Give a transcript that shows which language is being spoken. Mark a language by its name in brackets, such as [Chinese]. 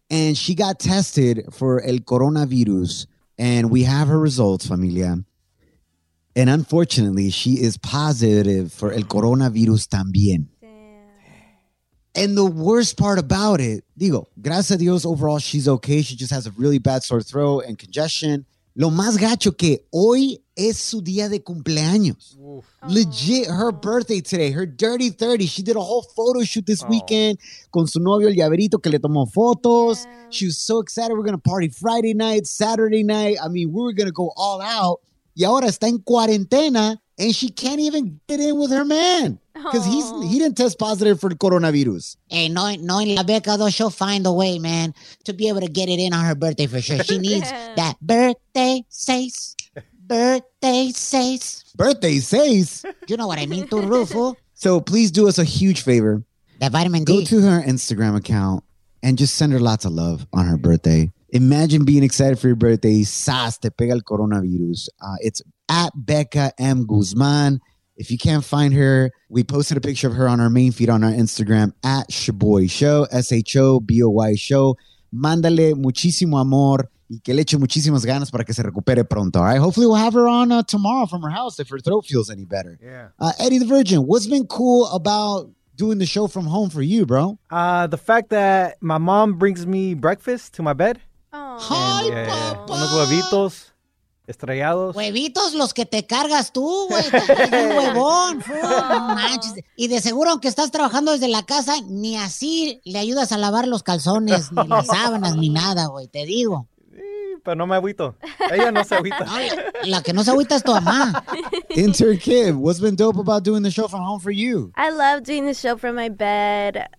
[English] And she got tested for el coronavirus, and we have her results, familia. And unfortunately, she is positive for el coronavirus también. Damn. And the worst part about it, [Spanish] digo, gracias a Dios, [English] overall, she's okay. She just has a really bad sore throat and congestion. [Spanish] Lo más gacho que hoy es su día de cumpleaños. Oof. [English] Legit, her birthday today, her dirty 30. She did a whole photo shoot this weekend [Spanish] con su novio, el llaverito, que le tomó fotos. [English] Damn. She was so excited. We're going to party Friday night, Saturday night. I mean, we were going to go all out. [Spanish] Y ahora está en cuarentena [English] and she can't even get in with her man. Because he didn't test positive for coronavirus. Hey, knowing La Beca, though, she'll find a way, man, to be able to get it in on her birthday for sure. She needs that birthday says. Birthday says? You know what I mean, tu Rufo. So please do us a huge favor. That vitamin D. Go to her Instagram account and just send her lots of love on her birthday. Imagine being excited for your birthday. [Spanish] Sas, te pega el coronavirus. [English] It's at Becca M. Guzman. If you can't find her, we posted a picture of her on our main feed on our Instagram, at Shaboy Show, Shaboy Show. [Spanish] Mándale muchísimo amor y que le eche muchísimas ganas para que se recupere pronto. [English] All right, hopefully we'll have her on tomorrow from her house if her throat feels any better. Yeah. Eddie the Virgin, what's been cool about doing the show from home for you, bro? The fact that my mom brings me breakfast to my bed. Hi, [Spanish] Papa. Unos huevitos. Estrellados. Huevitos los que te cargas tú, güey. Un huevón. Oh, y de seguro, aunque estás trabajando desde la casa, ni así le ayudas a lavar los calzones, ni las sábanas, ni nada, güey. Te digo. Pero no me agüito. Ella no se agüita. No, la que no se agüita es tu mamá. [English] Intern Kim, what's been dope about doing the show from home for you? I love doing the show from my bed.